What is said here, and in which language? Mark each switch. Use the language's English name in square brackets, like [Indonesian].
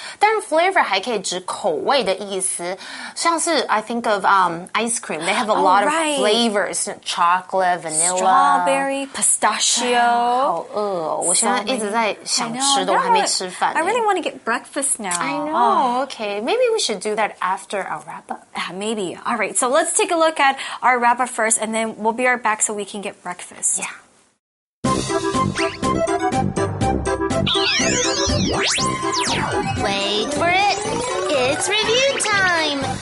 [Chinese] 但是 flavor 还可以指口味的意思， [English] 像是 I think of ice cream， they have a lot of flavors， chocolate， vanilla， strawberry， pistachio。 [Chinese] 好饿哦，我现在一直在想吃的，我还没吃饭。 [English] I really want to get breakfast now. I know. Okay, maybe we should do that after our wrap up. Maybe. All right, so let's take a look at our wrap-up first, and then we'll be right back so we can get breakfast. Yeah. Wait for it. It's review time.